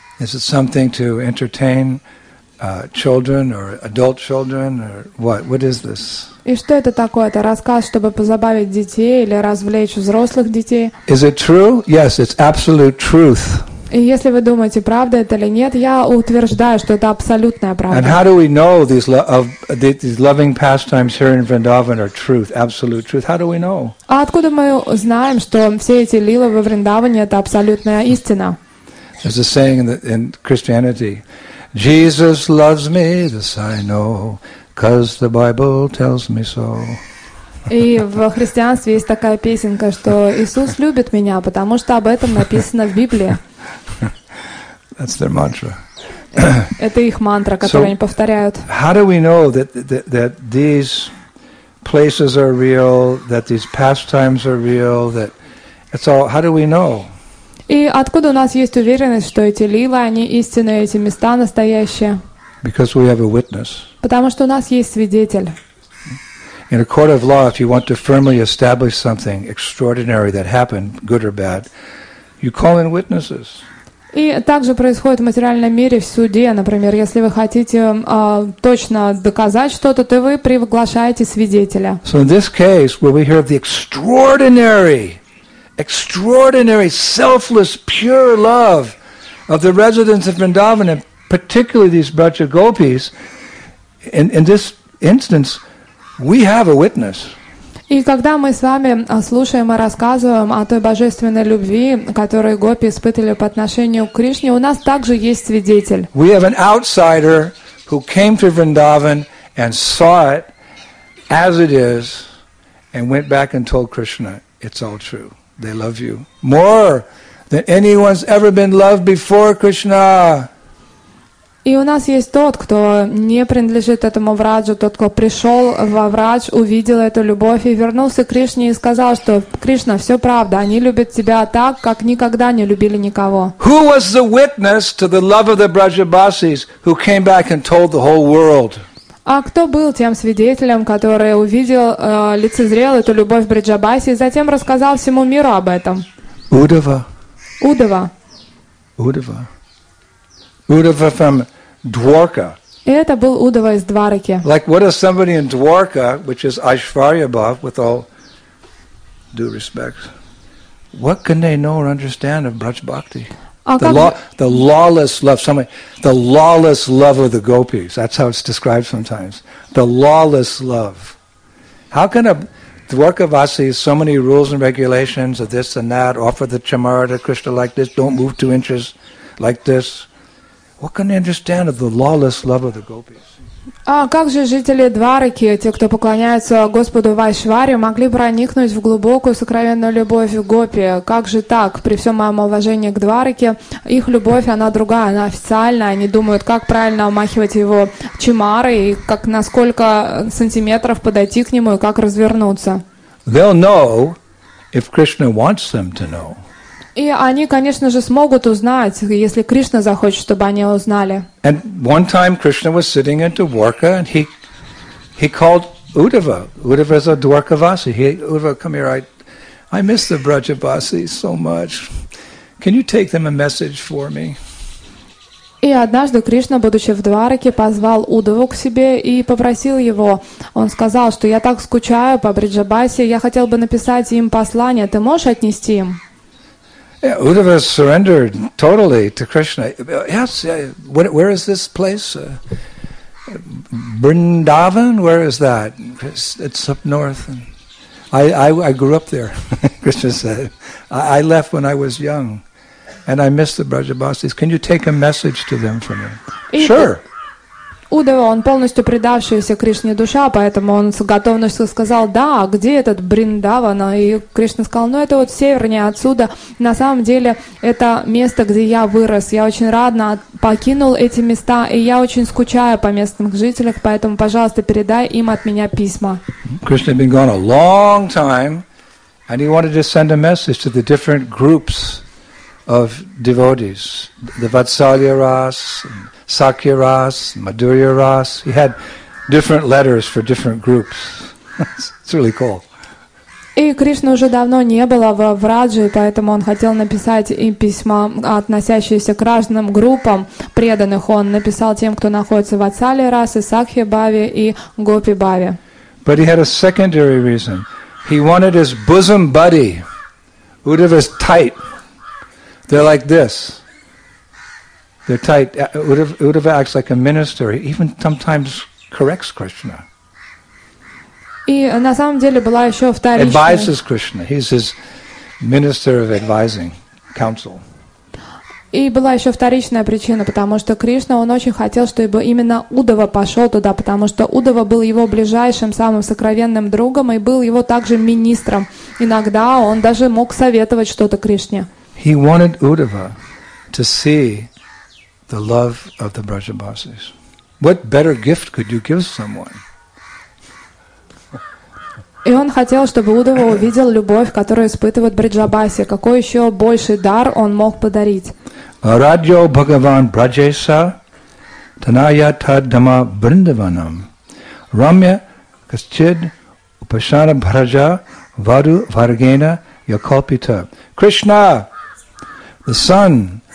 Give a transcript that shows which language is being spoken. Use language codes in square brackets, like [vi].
[en] Is it something to entertain children or adult children or what? What is this? [ru] И что это такое? Это рассказ, чтобы позабавить детей или развлечь взрослых детей? [en] Is it true? Yes, it's absolute truth. [ru] И если вы думаете, правда это или нет, я утверждаю, что это абсолютная правда. [en] And how do we know these loving pastimes here in Vrindavan are truth, absolute truth? How do we know? [ru] А откуда мы знаем, что все эти лилы во Вриндаване это абсолютная истина? [en] There's a saying in Christianity. Jesus loves me, this I know, 'cause the Bible tells me so. [ru] И в христианстве есть такая песенка, что Иисус любит меня, потому что об этом написано в Библии. [en] That's their mantra. [ru] Это их мантра, которую они повторяют. [en] How do we know that these places are real, that these pastimes are real, that it's all? How do we know? [ru] И откуда у нас есть уверенность, что эти лилы, они истинные, эти места настоящие? [en] Because we have a witness. [ru] Потому что у нас есть свидетель. [en] In a court of law, if you want to firmly establish something extraordinary that happened, good or bad, you call in witnesses. [ru] И также происходит в материальном мире в суде. Например, если вы хотите точно доказать что-то, то вы приглашаете свидетеля. [en] So in this case, where we hear of the extraordinary, selfless, pure love of the residents of Vrindavan, and particularly these Braja Gopis, in this instance, we have a witness. [ru] И когда мы с вами слушаем и рассказываем о той божественной любви, которую гопи испытывали по отношению к Кришне, у нас также есть свидетель. [en] We have an outsider who came to Vrindavan and saw it as it is and went back and told Krishna, it's all true. They love you more than anyone's ever been loved before, Krishna. [ru] И у нас есть тот, кто не принадлежит этому враджу, тот, кто пришел во врадж, увидел эту любовь и вернулся к Кришне и сказал, что Кришна, все правда, они любят тебя так, как никогда не любили никого. [en] Who was the witness to the love of the Brajabasis who came back and told the whole world? [ru] А кто был тем свидетелем, который увидел, лицезрел эту любовь Бриджабаси и затем рассказал всему миру об этом? [en] Удава. Удава from Dwarka. [ru] Это был Удава из Двараки. [en] Like what is somebody in Dwarka, which is Aishwarya Bhav, with all due respect, what can they know or understand of Braj Bhakti? The lawless love, somebody, the lawless love of the gopis. That's how it's described sometimes. The lawless love. How can a Dwarkavasi, so many rules and regulations of this and that, offer the chamara to Krishna like this, don't move 2 inches like this? What can they understand of the lawless love of the gopis? [ru] А как же жители Двараки, те, кто поклоняются Господу Вайшваре, могли проникнуть в глубокую сокровенную любовь к гопи? Как же так? При всем моем уважении к Двараке, их любовь, она другая, она официальная. Они думают, как правильно омахивать его чимарой, как на сколько сантиметров подойти к нему и как развернуться. [en] They'll know if Krishna wants them to know. [ru] И они, конечно же, смогут узнать, если Кришна захочет, чтобы они узнали. [en] And one time Krishna was sitting in Dwarka, and he called Uddhava. Uddhava is a Dwarkavasi. Uddhava, come here. I miss the Brajavasi so much. Can you take them a message for me? [ru] И однажды Кришна, будучи в Двараке, позвал Удаву к себе и попросил его. Он сказал, что я так скучаю по Брджабаси, я хотел бы написать им послание. Ты можешь отнести им? [en] Yeah, Uddhava surrendered totally to Krishna. Yes, where is this place? Vrindavan? Where is that? It's up north. And I grew up there, Krishna said. I left when I was young, and I missed the Brajabasis. Can you take a message to them for me? Sure. [ru] Удава, он полностью предавшаяся Кришне душа, поэтому он с готовностью сказал, да, где этот Бриндаван? И Кришна сказал, ну это вот севернее отсюда. На самом деле это место, где я вырос. Я очень радно покинул эти места, и я очень скучаю по местным жителям, поэтому, пожалуйста, передай им от меня письма. [en] Krishna had been gone a long time, and he wanted to send a message to the different groups of devotees, the Vatsalya Ras, Sakya Ras, Madhurya Ras. He had different letters for different groups. It's really cool. [ru] И Кришна уже давно не было в Врадже, поэтому он хотел написать им письма, относящиеся к разным группам преданных. Он написал тем, кто находится в Ацале Расе, Сакхи Бхаве и Гопи Бхаве. [en] But he had a secondary reason. He wanted his bosom buddy, Uddhava's tight. They're like this. They're tight. Uddhava acts like a minister. He even sometimes corrects Krishna. [ru] И на самом деле была еще вторичная. [en] Advises Krishna. He's his minister of advising, counsel. [ru] И была еще вторичная причина, потому что Кришна, он очень хотел, чтобы именно Удава пошел туда, потому что Удава был его ближайшим, самым сокровенным другом и был его также министром. Иногда он даже мог советовать что-то Кришне. [en] He wanted Udava to see the love of the Brajabasis. What better gift could you give someone? [ru] И он хотел, чтобы Удава увидел любовь, которую испытывает Бриджабаси. Какой еще больший дар он мог подарить? [sa] Радио Бхагаван Браджеса Таная Таддама Бриндаванам Рамья Касчид Упашана Бхараджа Вару Варгена Якалпита. Кришна, [en] the son